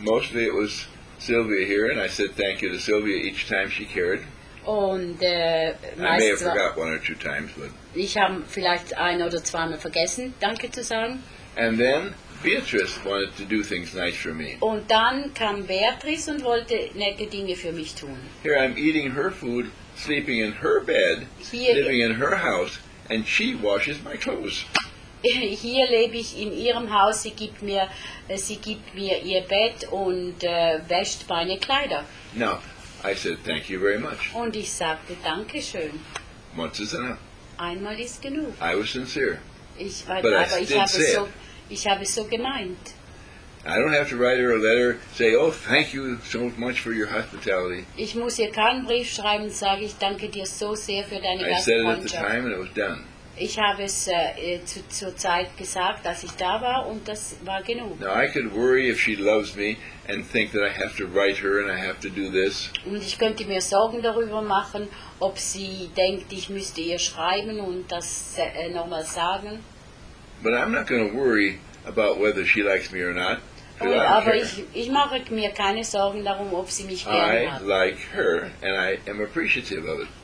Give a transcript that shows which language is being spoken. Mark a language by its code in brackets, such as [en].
[en] Mostly it was Sylvia here, and I said thank you to Sylvia each time she cared. [de] Und [en] I may have forgot one or two times, but [de] ich habe vielleicht ein oder zweimal vergessen, danke zu sagen. [en] And then Beatrice wanted to do things nice for me. [de] Und dann kam Beatrice und wollte nette Dinge für mich tun. [en] Here I'm eating her food. Sleeping in her bed, living in her house, and she washes my clothes. [de] Hier lebe ich in ihrem Haus, sie gibt mir ihr Bett und wäscht meine Kleider. [en] Now, I said thank you very much. [de] Und ich sagte danke schön. [en] Once is enough. [de] Einmal ist genug. [en] I was sincere. [de] Ich war, [en] but [de] aber [en] I did say [de] ich habe so gemeint. [en] I don't have to write her a letter, say, oh, thank you so much for your hospitality. [de] Ich muss ihr keinen Brief schreiben, sage ich danke dir so sehr für deine Gastfreundschaft. [en] I said it at the time and it was done. [de] Ich habe es zur Zeit gesagt, dass ich da war, und das war genug. [en] Now I could worry if she loves me and think that I have to write her and I have to do this. [de] Und ich könnte mir Sorgen darüber machen, ob sie denkt, ich müsste ihr schreiben und das nochmal sagen. [en] But I'm not going to worry about whether she likes me or not. [de] Aber ich mache mir keine Sorgen darum, ob sie mich gerne hat. [en] I like her and I am appreciative of it.